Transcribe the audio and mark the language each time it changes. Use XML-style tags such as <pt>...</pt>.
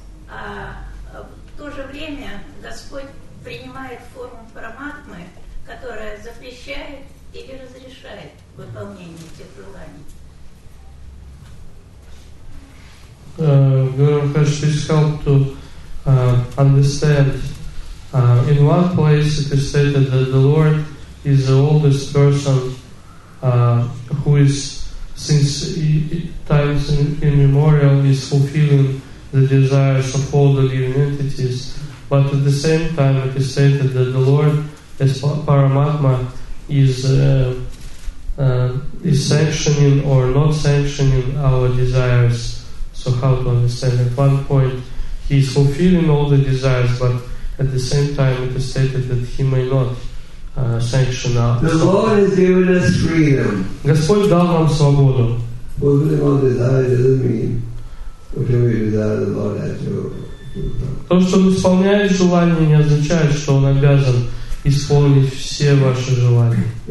<ru>А в то же время Господь принимает форму параматмы, которая запрещает или разрешает выполнение этих желаний.</ru> <en>Guru Maharaj, please help to understand in what place it is stated that the Lord is the oldest person who is, since times immemorial, is fulfilling the desires of all the living entities. But at the same time, it is stated that the Lord, as Paramatma, is sanctioning or not sanctioning our desires. So how to understand? At one point, he is fulfilling all the desires, but at the same time, it is stated that he may not sanction us. The Lord has given us freedom.</en> <ru>Господь дал нам свободу.</ru> <en>Fulfilling all desires doesn't mean fulfilling the desires the Lord has to.</en> <ru>То, что он исполняет желание, не означает, что он обязан исполнить все ваши желания.</ru>